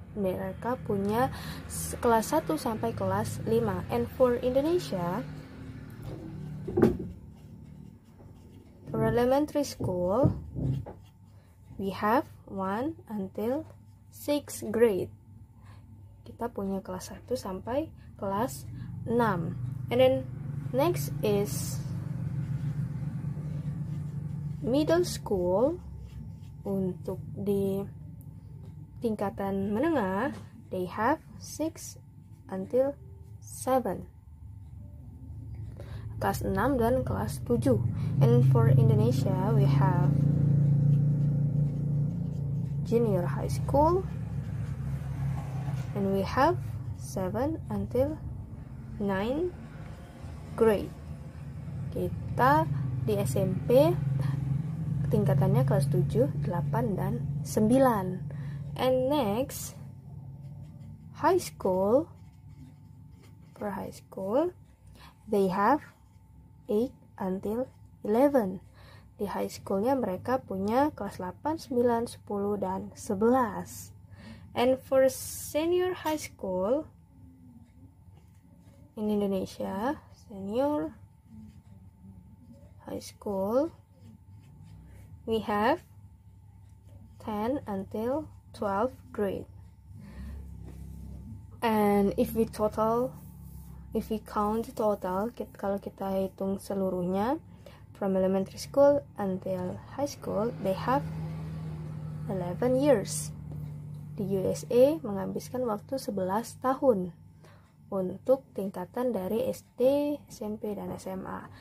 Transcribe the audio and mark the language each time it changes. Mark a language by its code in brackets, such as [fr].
[id] Mereka punya kelas 1 sampai kelas 5. [en] And for Indonesia, for elementary school, we have 1 until 6 grade. [id] Kita punya kelas 1 sampai kelas 6. [en] And then next is middle school. [id] Untuk di tingkatan menengah, [en] they have 6 until 7. [id] Kelas 6 dan kelas 7. [en] And for Indonesia, we have junior high school, and we have 7 until 9 grade. [id] Kita di SMP tingkatannya kelas 7, 8, dan 9. [en] And next, high school. For high school, they have 8 until 11. [id] Di high schoolnya mereka punya kelas 8, 9, 10, dan 11. [en] And for senior high school in Indonesia, senior high school, we have 10 until 12th grade. And if we count total, [id] kalau kita hitung seluruhnya, [en] from elementary school until high school, they have 11 years. [id] Di USA menghabiskan waktu 11 tahun untuk tingkatan dari SD, SMP, dan SMA.